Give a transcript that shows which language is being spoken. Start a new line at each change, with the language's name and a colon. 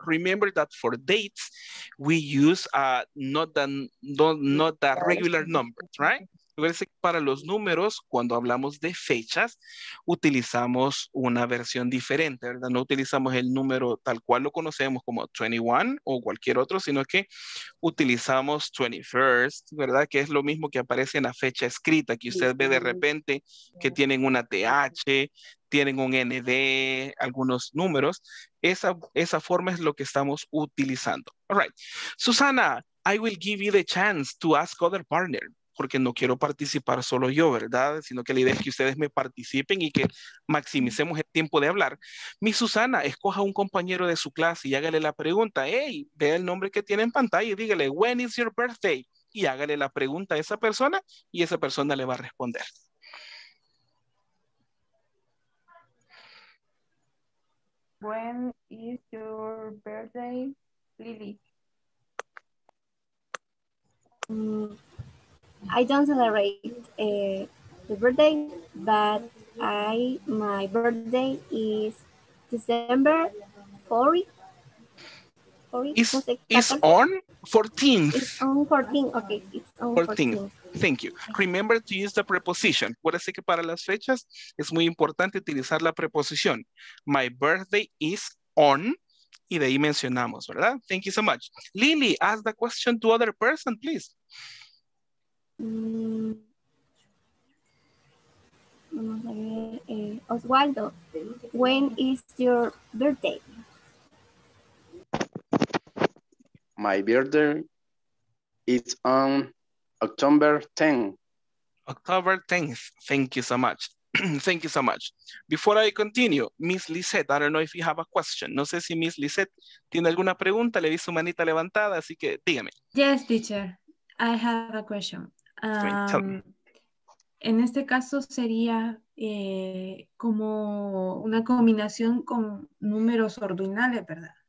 English: Remember that for dates, we use not the regular numbers, right?
Spanish: Para los números, cuando hablamos de fechas, utilizamos una versión diferente, ¿verdad? No utilizamos el número tal cual lo conocemos como 21 o cualquier otro, sino que utilizamos 21st, ¿verdad? Que es lo mismo que aparece en la fecha escrita, que usted ve de repente que tienen una TH, tienen un ND, algunos números. Esa forma es lo que estamos utilizando.
English: All right. Susana, I will give you the chance to ask other partner.
Spanish: Porque no quiero participar solo yo, ¿verdad? Sino que la idea es que ustedes me participen y que maximicemos el tiempo de hablar. Mi Susana, escoja un compañero de su clase y hágale la pregunta. Hey, ve el nombre que tiene en pantalla y dígale,
English: when is your birthday?
Spanish: Y hágale la pregunta a esa persona y esa persona le va a responder.
English: When is your birthday, Lily? I don't celebrate the birthday, but my birthday is December 14th. It's on 14th. It's on 14th, okay. It's on 14th. Thank you. Remember to use the preposition.
Spanish: Por eso que para las fechas es muy importante utilizar la preposición.
English: My birthday is on.
Spanish: Y de ahí mencionamos, ¿verdad?
English: Thank you so much. Lily, ask the question to other person, please. Oswaldo, when is your birthday? My birthday is on October 10. October 10th. Thank you so much. Thank you so much. Before I continue, Miss Lisette, I don't know if you have a question.
Spanish: No sé si Miss Lisette tiene alguna pregunta. Le vi su manita levantada, así que dígame.
English: Yes, teacher. I have a question.
Spanish: En este caso sería como una combinación con números ordinales, ¿verdad?